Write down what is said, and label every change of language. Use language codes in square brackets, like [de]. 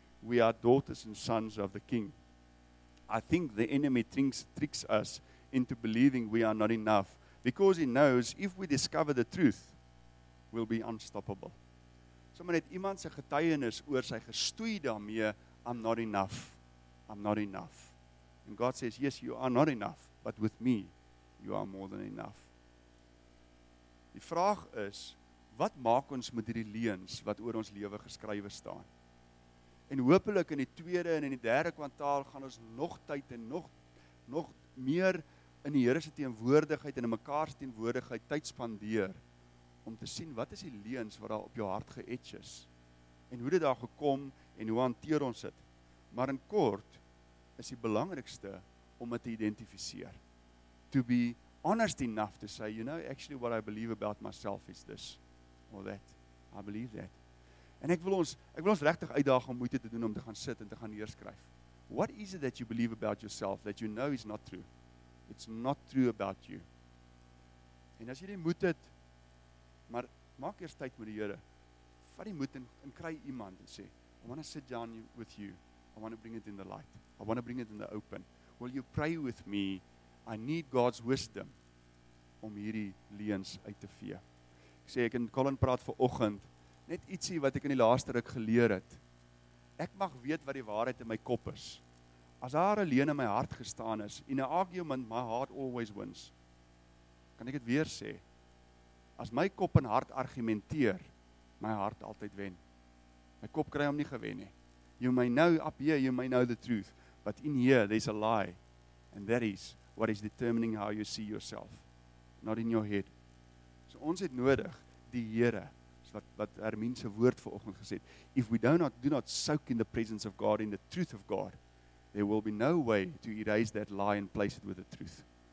[en] We are daughters and sons of the King. I think the enemy tricks us into believing we are not enough because he knows if we discover the truth, we'll be unstoppable. [af] Sommige het iemand se getuienis oor sy gestoei daarmee, [en] I'm not enough. I'm not enough. And God says, yes, you are not enough, but with me, you are more than enough. [af] Die vraag is, wat maak ons met die leuns wat oor ons lewe geskrywe staan? En hopelik in die tweede en in die derde kwartaal gaan ons nog tyd en nog meer in die Here se teenwoordigheid en in mekaar se teenwoordigheid tyd spandeer om te sien wat is die leuns wat daar op jou hart geëtch is en hoe dit daar gekom en hoe hanteer ons dit. Maar in kort, is die belangrikste om dit te identifiseer. [en] To be honest enough to say, you know, actually what I believe about myself is this or that. I believe that. [af] En ek wil ons regtig uitdaag om moeite te doen om te gaan sit en te gaan neerskryf. [en] What is it that you believe about yourself that you know is not true? It's not true about you. [af] En as jy die moed het, maar maak eers tyd met die Here. Vat die moed en kry iemand en sê, [en] I want to sit down with you. I want to bring it in the light. I want to bring it in the open. Will you pray with me? I need God's wisdom [af] om hierdie leuns uit te vee. Ek sê, ek en Colin praat vanoggend, net ietsie wat ek in die laaste ruk geleer het. Ek mag weet wat die waarheid in my kop is. As daar 'n leuen in my hart gestaan is, in 'n argument [en] my heart always wins, [af] kan ek dit weer sê. As my kop en hart argumenteer, my hart altyd wen. My kop kry hom nie gewen nie. [en] You may know up here, you may know the truth, but in here there's a lie. And that is what is determining how you see yourself, not in your head. [af] So ons het nodig die Here, wat Hermien se woord vanoggend gesê het, [en] if we do not soak in the presence of God, in the truth of God, there will be no way to erase that lie and place it with the truth.